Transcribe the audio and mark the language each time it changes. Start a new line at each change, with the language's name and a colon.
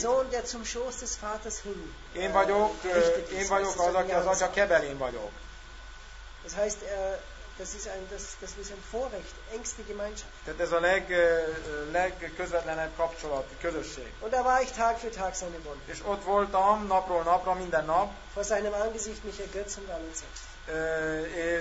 German: Sohn, der zum Schoß des Vaters hin.
Hungarian: Én vagyok az, aki az Atya kebelén vagyok.
German: Das heißt, das ist ein Vorrecht, engste Gemeinschaft.
Hungarian: Tehát ez a legközvetlenebb kapcsolat, közösség.
German: Und da war ich Tag für Tag seine Wohnung.
Hungarian: És ott voltam napról napra, minden nap.
German: Vor seinem Angesicht mich ergötzend alle Zeit.